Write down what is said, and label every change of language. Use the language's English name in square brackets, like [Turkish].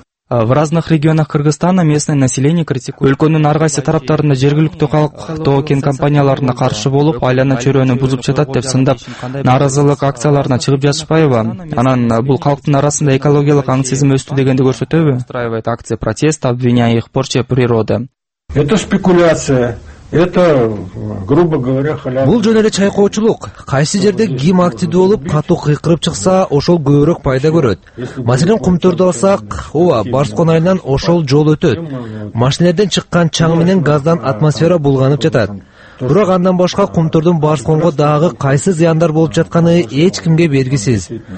[Russian] В разных регионах Кыргызстана местное население критикует. [Kyrgyz] Өлкөнүн ар кайсы тараптарында жергиликтүү калк тоо-кен компанияларына каршы болуп, айлана чөйрөнү бузуп жатат деп сындап, нааразылык акцияларына чыгып жатышпайбы? Анан бул калктын арасында экологиялык аң сезим өстү дегенди көрсөтөбү? [Russian] Устраивает акция протеста, обвиняя их в порче природы. Это спекуляция. Это, грубо говоря, халява. [Kyrgyz] Бул жөн эле чайкоочулук. Кайсы жерде ким активдүү болуп, катуу кыйкырып чыкса, ошол көбүрөөк пайда көрөт. Маселен, Кумтөрдү алсак, ооба, Барскон айынан ошол жол өтөт. Машинелерден чыккан чаң менен газдан атмосфера булганып жатат. Бирок андан башка кумтурдун баш-конго дагы кайсы зыяндар болуп жатканы эч кимге белгисиз.